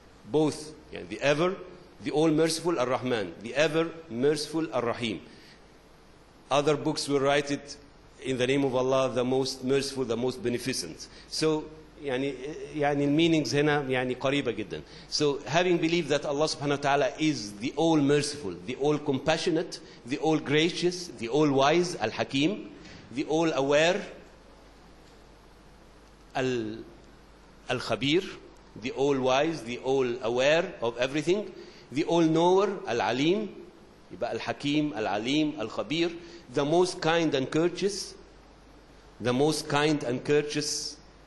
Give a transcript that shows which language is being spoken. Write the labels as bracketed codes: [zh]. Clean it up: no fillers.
[en] Both, yeah, the ever, the all merciful Ar-Rahman, the ever merciful Ar-Rahim. Other books will write it in the name of Allah, the most merciful, the most beneficent. [ar] So, يعني meanings هنا يعني قريبة جدا. [en] So, having believed that Allah subhanahu wa ta'ala is the all merciful, the all compassionate, the all gracious, the all wise, Al-Hakim, the all aware, Al-Khabir, the all wise, the all aware of everything, the all knower, Al-Alim, Al-Hakim, Al-Alim, Al-Khabir, the most kind and courteous, the most kind and courteous.